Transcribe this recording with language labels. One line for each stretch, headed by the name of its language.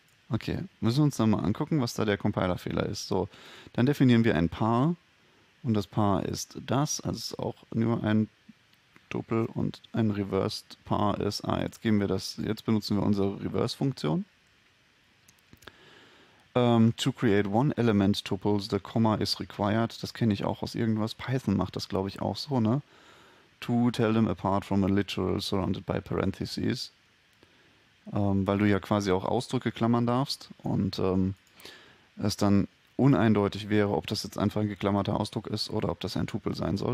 German: Okay, müssen wir uns nochmal angucken, was da der Compiler-Fehler ist. So, dann definieren wir ein Paar. Und das Paar ist das. Also es ist auch nur ein Tupel und ein Reversed-Paar ist. Ah, jetzt geben wir das. Jetzt benutzen wir unsere Reverse-Funktion.
English: To create one element tuples, the comma is required.
German: Das kenne ich auch aus irgendwas. Python macht das, glaube ich, auch so, ne?
English: To tell them apart from a literal surrounded by parentheses.
German: Weil du ja quasi auch Ausdrücke klammern darfst und es dann uneindeutig wäre, ob das jetzt einfach ein geklammerter Ausdruck ist oder ob das ein Tupel sein soll.